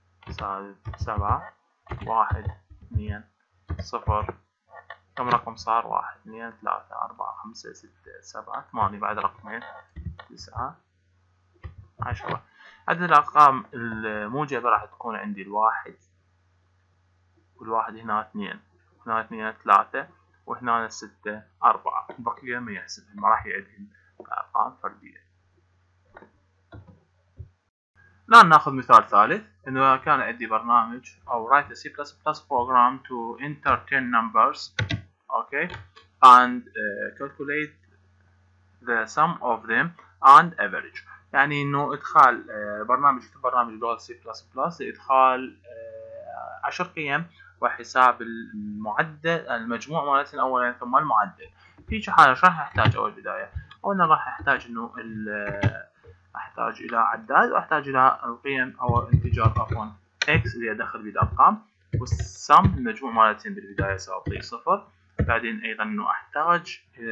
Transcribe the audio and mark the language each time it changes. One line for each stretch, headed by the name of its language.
Arabic: سالب سبعة واحد اثنين صفر كم رقم صار واحد اثنين ثلاثة أربعة خمسة ستة سبعة ثمانية بعد رقمين تسعة عشرة عدد الأرقام الموجبة راح تكون عندي الواحد والواحد هنا اثنين هنا اثنين ثلاثة وهنا ستة أربعة البقية ما يحسب ما راح يعدهم أرقام فردية. الآن نأخذ مثال ثالث إنه كان عندي برنامج أو
English: write a C++ program to enter 10 numbers okay and calculate the sum of them and average.
Arabic: يعني انه ادخال برنامج في برنامج لغة C++ ادخال 10 قيم وحساب المعدل المجموع مالتين اولا ثم المعدل في شي حاجه راح احتاج اول بدايه اولا راح احتاج انه احتاج الى عداد واحتاج الى القيم او انتجار عفوا x اللي ادخل به الارقام والسم المجموع مالتين بالبدايه ساعطيه صفر بعدين ايضا انه احتاج